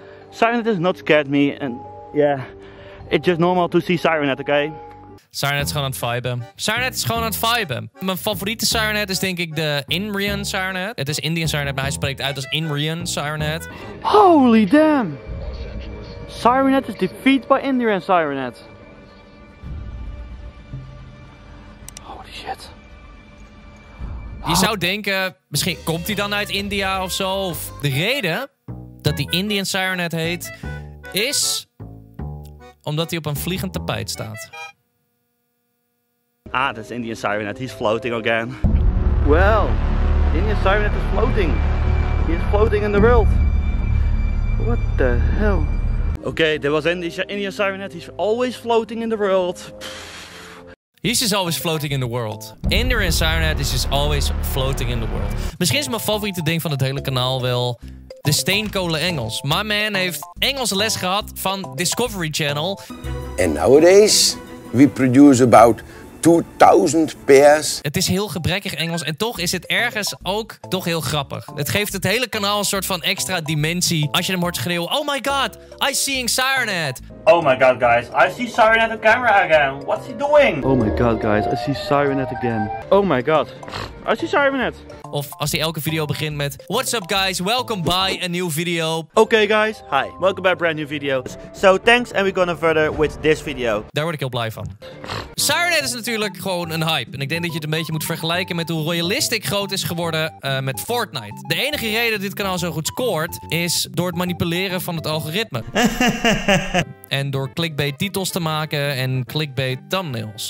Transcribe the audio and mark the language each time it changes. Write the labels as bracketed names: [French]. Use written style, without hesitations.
[English] Sirenhead has not scared me, and yeah, it's just normal to see Sirenhead, okay? [Dutch] Sirenhead is gewoon aan het viben. Sirenhead is gewoon aan het viben. Mijn favoriete Sirenhead is denk ik de Inrian Sirenhead. Het is Indian Sirenhead, maar hij spreekt uit als Inrian Sirenhead. [English] Holy damn! Sirenhead is defeated by Indian Sirenhead. Holy shit. [Dutch] Je zou denken, misschien komt hij dan uit India of zo. Of de reden dat hij Indian Sirenhead heet, is omdat hij op een vliegend tapijt staat. [English] Ah, that's Indian Sirenhead. He's floating again. Well, Indian Sirenhead is floating. He's floating in the world. What the hell? Okay, there was Indian Sirenhead. He's always floating in the world. He's just always floating in the world. Indian Sirenhead is just always floating in the world. [Dutch] Misschien is mijn favoriete ding van het hele kanaal wel de steenkolen Engels. [English] My man [Dutch] heeft Engels les gehad van Discovery Channel. [English] And nowadays, we produce about 2000 pairs. [Dutch] Het is heel gebrekkig Engels en toch is het ergens ook toch heel grappig. Het geeft het hele kanaal een soort van extra dimensie als je hem hoort schreeuwen. [English] Oh my god, I'm seeing Sirenhead. Oh my god guys, I see Sirenhead on camera again. What's he doing? Oh my god guys, I see Sirenhead again. Oh my god, I see Sirenhead. [Dutch] Of als hij elke video begint met [English] What's up guys, welcome by a new video. Okay guys, hi, welcome by a brand new video. So thanks and we're gonna further with this video. [Dutch] Daar word ik heel blij van. Sirenhead is natuurlijk gewoon een hype. En ik denk dat je het een beetje moet vergelijken met hoe Royalistic groot is geworden met Fortnite. De enige reden dat dit kanaal zo goed scoort is door het manipuleren van het algoritme. En door clickbait titels te maken en clickbait thumbnails.